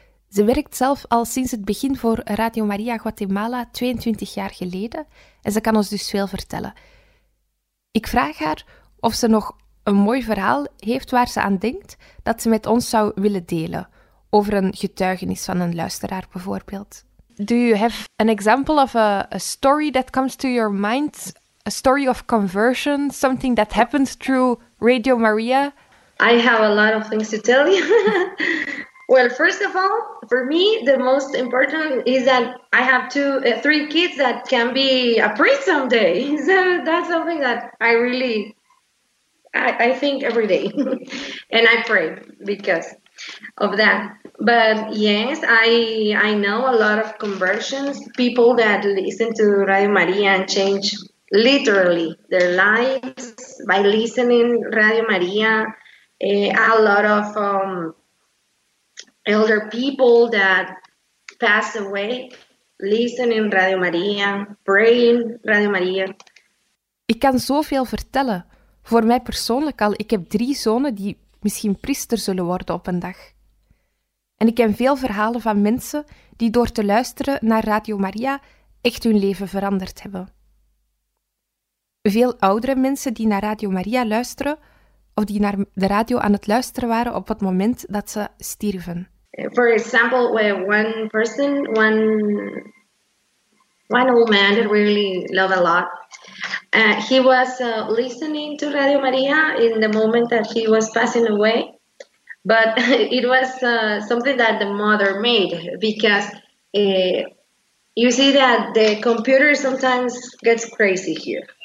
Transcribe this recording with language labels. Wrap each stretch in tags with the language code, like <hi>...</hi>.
<nl>Ze werkt zelf al sinds het begin voor Radio Maria Guatemala, 22 jaar geleden. En ze kan ons dus veel vertellen. Ik vraag haar of ze nog een mooi verhaal heeft waar ze aan denkt dat ze met ons zou willen delen. Over een getuigenis van een luisteraar bijvoorbeeld.</nl> <en>Do you have an example of a story that comes to your mind? A story of conversion, something that happened through Radio Maria? I have a lot of things to tell you. Well, first of all, for me, the most important is that I have three kids that can be a priest someday. So that's something that I think every day. And I pray because of that. But yes, I know a lot of conversions, people that listen to Radio Maria and change literally their lives by listening Radio Maria. A lot of elder people that pass away listening Radio Maria, praying Radio Maria.</en> <nl>Ik kan zoveel vertellen. Voor mij persoonlijk al, ik heb 3 zonen die misschien priester zullen worden op een dag. En ik ken veel verhalen van mensen die door te luisteren naar Radio Maria echt hun leven veranderd hebben. Veel oudere mensen die naar Radio Maria luisteren, of die naar de radio aan het luisteren waren op het moment dat ze stierven.</nl> <en>For example, where one old man that really loved a lot. He was listening to Radio Maria in the moment that he was passing away. But it was something that the mother made because you see that the computer sometimes gets crazy here.</en>